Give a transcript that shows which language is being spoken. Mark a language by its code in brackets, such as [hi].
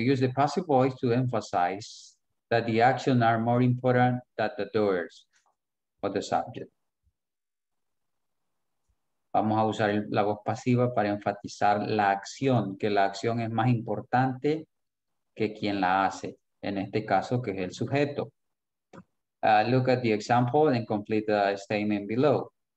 [en] Use the passive voice to emphasize that the actions are more important than the doers or the subject. [es] Vamos a usar la voz pasiva para enfatizar la acción, que la acción es más importante que quien la hace, en este caso que es el sujeto. [en] Look at the example and complete the statement below.